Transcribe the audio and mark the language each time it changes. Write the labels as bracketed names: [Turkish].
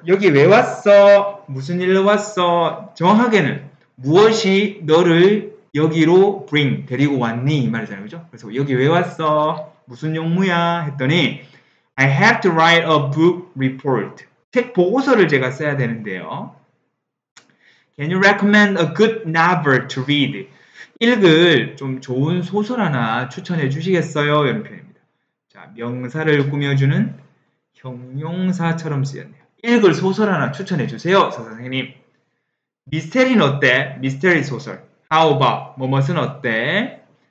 [Korean] 여기 왜 왔어? 무슨 일로 왔어? 정확하게는 무엇이 너를 여기로 bring, 데리고 왔니? 이 말이잖아요. 그죠? 그래서 여기 왜 왔어? 무슨 용무야? 했더니 [English] I have to write a book report. [Korean] 책 보고서를 제가 써야 되는데요. [English] Can you recommend a good novel to read? [Korean] 읽을 좀 좋은 소설 하나 추천해 주시겠어요? 이런 표현입니다. 자, 명사를 꾸며주는 형용사처럼 쓰였네요. 읽을 소설 하나 추천해 주세요, 선생님. 미스테리는 어때? 미스테리 소설. [English] How about? [Korean] 뭐뭐은 어때?